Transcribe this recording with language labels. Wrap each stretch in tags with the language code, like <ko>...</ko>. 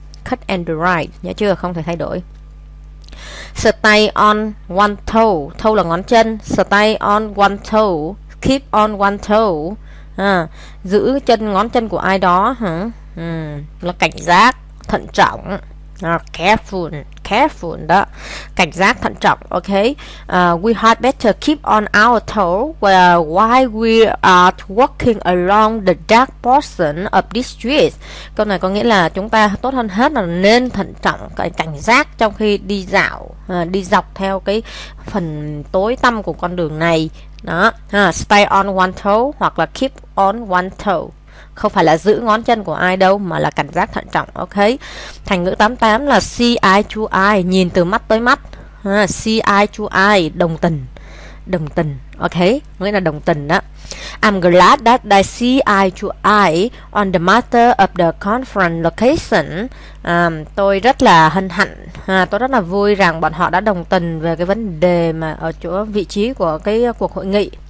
<en>Cut and dry,</en> <vi>nhớ chưa? Không thể thay đổi.</vi> <en>Stay on one toe,</en> <vi>toe là ngón chân.</vi> <en>Stay on one toe,</en> <vi>keep on one toe, giữ chân ngón chân của ai đó, là cảnh giác, thận trọng.</vi> <en>Careful, careful</en> <vi>đó, cảnh giác thận trọng.</vi> <en>Ok, we had better keep on our toes while we are walking along the dark portion of this street.</en> <vi>Câu này có nghĩa là chúng ta tốt hơn hết là nên thận trọng, cảnh giác trong khi đi dạo, đi dọc theo cái phần tối tăm của con đường này đó.</vi> <en>Stay on one toe</en> <vi>hoặc là</vi> <en>keep on one toe.</en> <vi>Không phải là giữ ngón chân của ai đâu mà là cảnh giác thận trọng. Ok. Thành ngữ 88 là</vi> <en>see eye to eye,</en> <vi>nhìn từ mắt tới mắt.</vi> <en>See eye to eye,</en> <vi>đồng tình. Đồng tình. Ok, nghĩa là đồng tình đó.</vi> <en>I'm glad that they see eye to eye on the matter of the conference location.</en> <vi>Tôi rất là hân hạnh, tôi rất là vui rằng bọn họ đã đồng tình về cái vấn đề mà ở chỗ vị trí của cái cuộc hội nghị.</vi>